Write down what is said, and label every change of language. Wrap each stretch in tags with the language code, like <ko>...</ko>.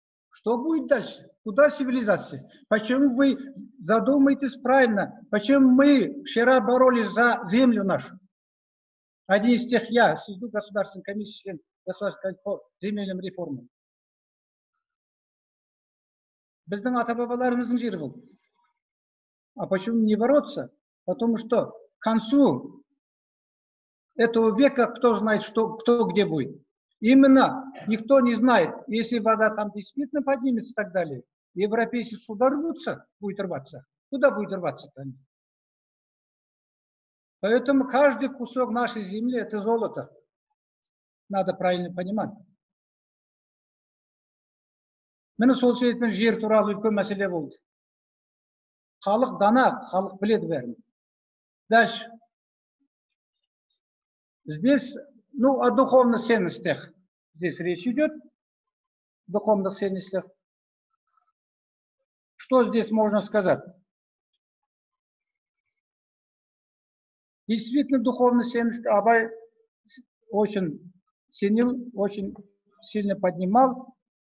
<ru>Что будет дальше? Куда цивилизация? Почему вы задумаетесь правильно? Почему мы вчера боролись за землю нашу? Один из тех я, сижу в Государственной комиссии, член Государственной комиссии по земельным реформам.</ru> <kk>Біздің ата-бабаларымыздың жері болды.</kk> <ru>А почему не бороться? Потому что к концу этого века кто знает, что, кто где будет. Именно никто не знает, если вода там действительно поднимется и так далее. Европейцы сюда рвутся, будет рваться. Куда будет рваться-то? Поэтому каждый кусок нашей земли – это золото. Надо правильно понимать.</ru> <kk>Мені сол сөйтін жер туралы үлкен мәселе болды. Халық дана, халық біледі бәрін.</kk> <ru>Дальше. Здесь, ну, о духовных ценностях. Здесь речь идет. О духовных ценностях. Что здесь можно сказать? Действительно, духовные ценности Абай очень ценил, очень сильно поднимал.</ru>